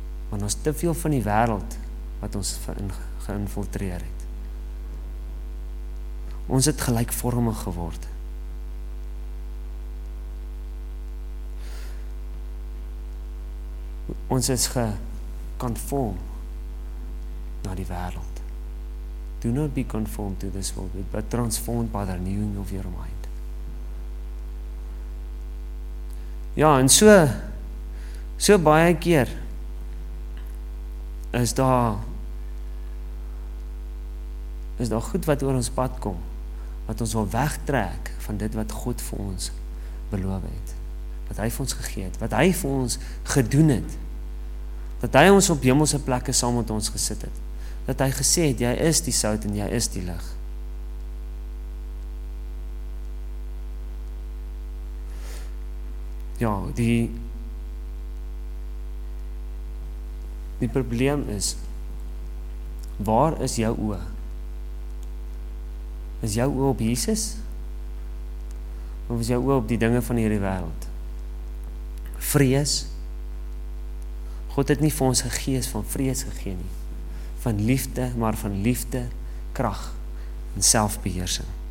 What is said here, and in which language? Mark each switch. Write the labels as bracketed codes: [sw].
[af] Want ons te veel van die wêreld wat ons geïnfiltreer het. Ons het gelykvormig geword. Ons is geconform na die wêreld. [en] Do not be conformed to this world, but transformed by the renewing of your mind. [af] Ja, en so baie keer is daar goed wat oor ons pad kom, wat ons wil wegtrek van dit wat God vir ons beloof het, wat hy vir ons gegee het, wat hy vir ons gedoen het, dat hy ons op hemelse plekke saam met ons gesit het, dat hy gesê het, jy is die sout en jy is die lig. Ja, die probleem is, waar is jou oë? Is jou oë op Jesus? Of is jou oë op die dinge van hierdie wêreld? Vrees. God het nie vir ons 'n gees van vrees gegee nie. Van liefde, maar van liefde, krag en selfbeheersing.